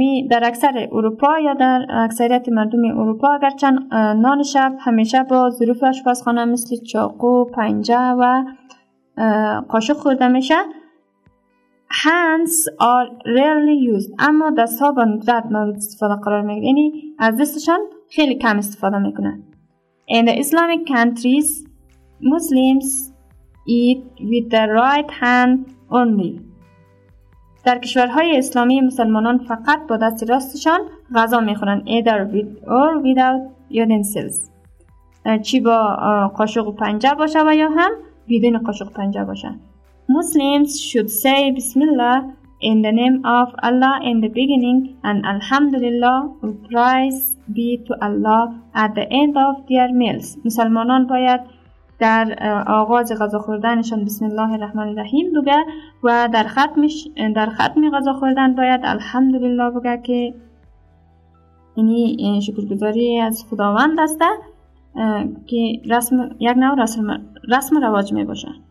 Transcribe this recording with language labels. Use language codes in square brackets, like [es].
[fa] در اکثر اروپا یا در اکثریت مردم اروپا اگرچند نان شب همیشه با ظروف آشپزخانه مثل چاقو، پنجه و قاشق خورده میشه. [en] Hands are rarely used. [fa] اما دست ها به ندرت مورد استفاده قرار میگیرن، یعنی از دستشان خیلی کم استفاده میکنن. [en] In the Islamic countries, Muslims eat with the right hand only. [fa] در کشورهای اسلامی مسلمانان فقط با دست راستشان غذا میخورن [en] either with or without utensils. [fa] چی با قاشق و پنجه باشه و یا هم بدون قاشق و پنجه باشه. [en] Muslims should say Bismillah in the name of Allah in the beginning and Alhamdulillah and praise be to Allah at the end of their meals. [fa] مسلمانان باید در آغاز غذا خوردنشان بسم الله الرحمن الرحیم بگه و در ختم غذا خوردن باید الحمدلله بگه که یعنی شکرگزاری از خداوند است که رسم یک نوع رسم رواج می باشه.